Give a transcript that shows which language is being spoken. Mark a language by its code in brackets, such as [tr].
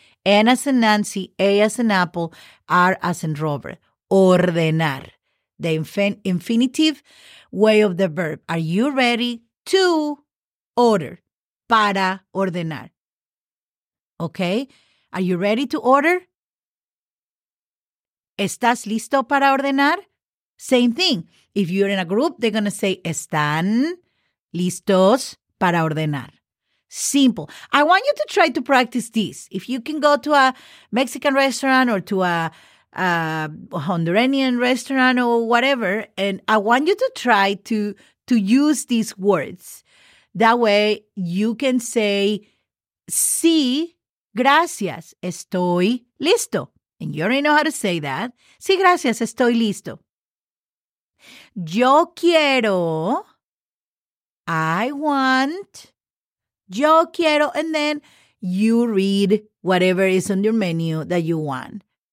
[en] N as in Nancy, A as in apple, R as in Robert. Ordenar, the infinitive way of the verb. Are you ready to order? [es] Para ordenar. [en] Okay, are you ready to order? [es] ¿Estás listo para ordenar? [en] Same thing. If you're in a group, they're going to say, [es] ¿están listos para ordenar? [en] Simple. I want you to try to practice this. If you can go to a Mexican restaurant or to a Honduranian restaurant or whatever, and I want you to try to use these words. That way you can say, [es] sí, gracias, estoy listo. [en] And you already know how to say that. [es] Sí, gracias, estoy listo. Yo quiero, [en] I want, [es] yo quiero, [en] and then you read whatever is on your menu that you want.